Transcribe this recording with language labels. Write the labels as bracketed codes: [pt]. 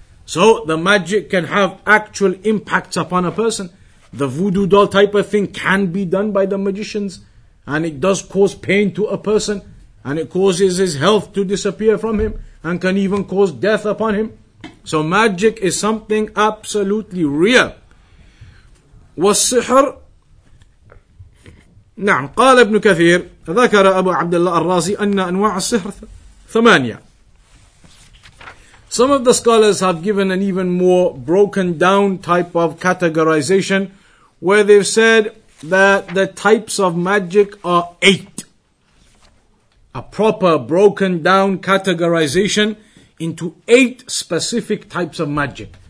[en] So the magic can have actual impacts upon a person. The voodoo doll type of thing can be done by the magicians, and it does cause pain to a person, and it causes his health to disappear from him and can even cause death upon him. So magic is something absolutely real. [ar] والسحر نعم قال ابن كثير ذكر أبو عبد الله الرازي أن أنواع السحر ثمانية. [en] Some of the scholars have given an even more broken down type of categorization, where they've said that the types of magic are eight. A proper broken down categorization into eight specific types of magic.